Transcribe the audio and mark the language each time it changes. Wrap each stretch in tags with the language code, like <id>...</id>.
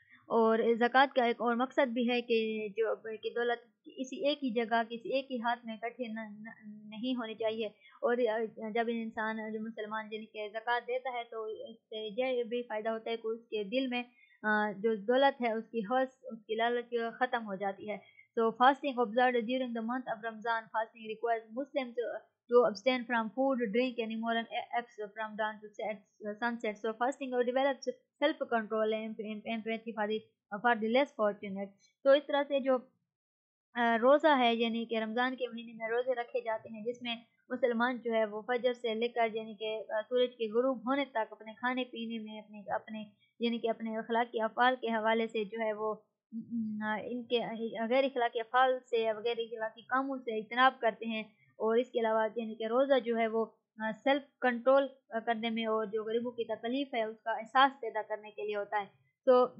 <ur>اور زکوٰۃ کا ایک اور مقصد بھی ہے کہ جو کہ دولت اسی ایک ہی جگہ کسی ایک ہی ہاتھ میں اکٹھے نہیں ہونے چاہیے اور جب انسان جو مسلمان جن کے زکوٰۃ دیتا ہے تو اس سے یہ بھی فائدہ ہوتا ہے کہ اس کے دل میں جو دولت ہے اس کی حوث اس کی لالچ ختم ہو جاتی ہے</ur> <en>So fasting observed during the month of Ramzan, fasting requires Muslims to abstain from food, drink, and immoral acts from dawn to sunset. So fasting develops self-control and empathy for the less fortunate.</en> <ur>So اس طرح سے جو روزہ ہے یعنی کہ رمضان کے مہینے میں روزے رکھے جاتے ہیں جس میں مسلمان جو ہے وہ فجر سے لے کر یعنی کہ سورج کے غروب ہونے تک اپنے کھانے پینے میں اپنے یعنی کہ اپنے اخلاقی افعال کے حوالے سے جو ہے وہ ان کے غیر اخلاقی افعال سے غیر اخلاقی کاموں سے اجتناب کرتے ہیں اور اس کے علاوہ یعنی کہ روزہ جو ہے وہ سیلف کنٹرول کرنے میں اور جو غریبوں کی تکلیف ہے اس کا احساس پیدا کرنے کے لیے ہوتا ہے تو</ur>